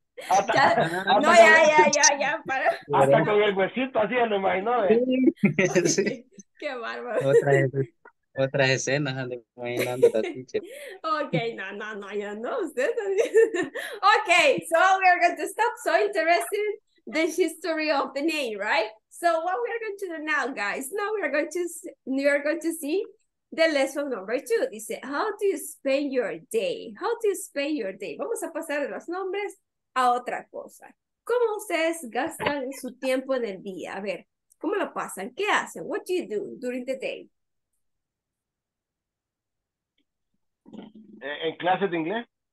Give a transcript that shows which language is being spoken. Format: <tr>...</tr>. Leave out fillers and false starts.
<es>Hasta Ya, no, ya, con el huesito así lo imaginó, ¿eh? para. Sí. Okay. Qué bárbaro. Otras escenas ando imaginando la teacher. Okay, no, no, no, ya no, usted también.</es> <en>Okay, so we're going to stop. So interested in the history of the name, right? So what we're going to do now, guys? Now we are going to see the lesson number two. Dice, how do you spend your day? How do you spend your day?</en> <es>Vamos a pasar de los nombres a otra cosa. ¿Cómo ustedes gastan su tiempo en el día? A ver, ¿cómo lo pasan? ¿Qué hacen?</es> <en>What do you do during the day?</en> <es>¿En clases de inglés?</es>